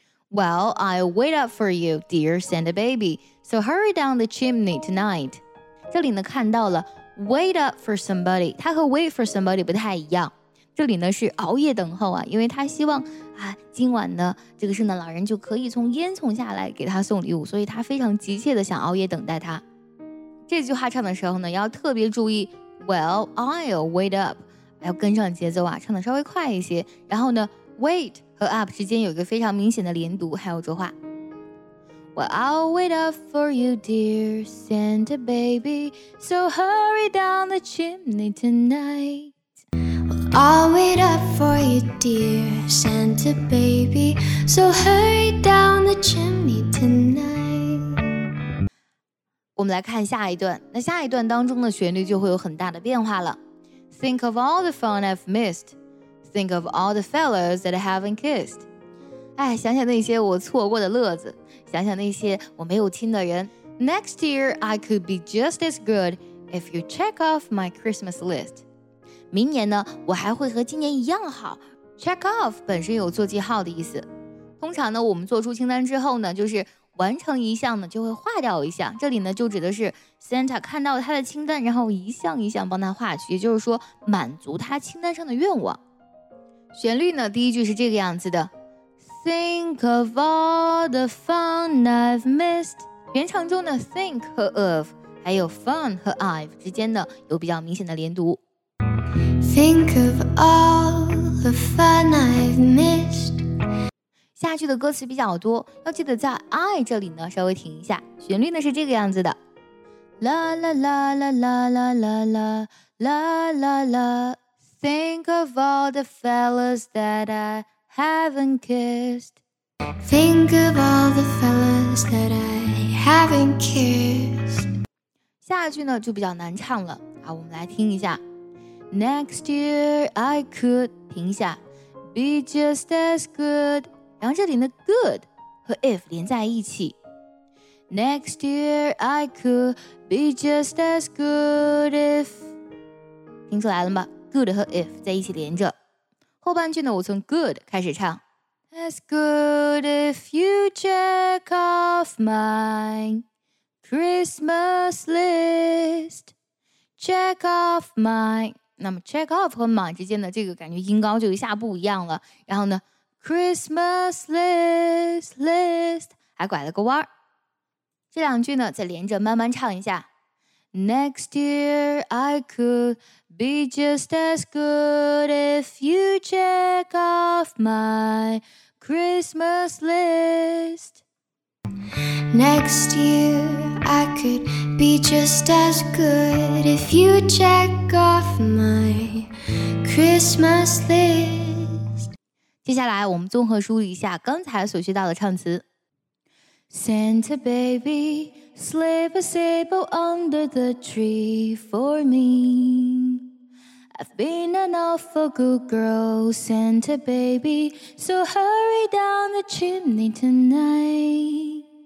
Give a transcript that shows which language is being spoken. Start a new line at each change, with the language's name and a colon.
English: Well, I'll wait up for you, dear Santa baby, so hurry down the chimney tonight.
Chinese: 这里呢看到了
English: wait up for somebody,
Chinese: 它和
English: wait for somebody
Chinese: 不太一样，这里呢是熬夜等候啊，因为他希望啊今晚呢这个圣诞老人就可以从烟囱下来给他送礼物，所以他非常急切的想熬夜等待他。这句话唱的时候呢要特别注意
English: Well, I'll wait up,
Chinese: 要跟上节奏啊，唱的稍微快一些，然后呢 wait 和 up 之间有一个非常明显的连读还有浊化。
English: Well, I'll wait up for you, dear Santa baby, so hurry down the chimney tonight. I'll wait up for you, dear Santa baby, so hurry down the chimney tonight.
Chinese: 我们来看下一段，那下一段当中的旋律就会有很大的变化了。
English: Think of all the fun I've missed. Think of all the fellas that I haven't kissed.
Chinese: 哎，想想那些我错过的乐子，想想那些我没有亲的人。
English: Next year I could be just as good if you check off my Christmas list.
Chinese: 明年呢，我还会和今年一样好。 Check off 本身有做记号的意思。通常呢，我们做出清单之后呢，就是完成一项呢就会划掉一项，这里呢就指的是 Santa 看到他的清单，然后一项一项帮他划去，也就是说满足他清单上的愿望。旋律呢，第一句是这个样子的
English: Think of all the fun I've missed，
Chinese: 原唱中的 think 和 of 还有 fun 和 I've 之间呢有比较明显的连读。
English: Think of all the fun I've missed，
Chinese: 下句的歌词比较多，要记得在 I 这里呢稍微停一下，旋律呢是这个样子的 La la la la la la la la la la la
English: Think of all the fellas that I haven't kissed Think of all the fellas that I haven't kissed
Chinese: 下句呢就比较难唱了，我们来听一下
English: Next year I could
Chinese: 停一下
English: Be just as good，
Chinese: 然后这里的 good 和 if 连在一起
English: Next year I could be just as good if
Chinese: 听出来了吗？ good 和 if 在一起连着，后半句呢我从 good 开始唱
English: As good if you check off my Christmas list Check off my
Chinese: 那么 check off 和 my 之间的这个感觉音高就一下不一样了，然后呢
English: Christmas list
Chinese: 还拐了个弯，这两句呢再连着慢慢唱一下
English: Next year I could be just as good if you check off my Christmas list Next year I could be just as good if you check off my Christmas list。
Chinese: 接下来我们综合梳理一下刚才所学到的唱词
English: Santa baby Slip a sable under the tree for me I've been an awful good girl Santa baby So hurry down the chimney tonight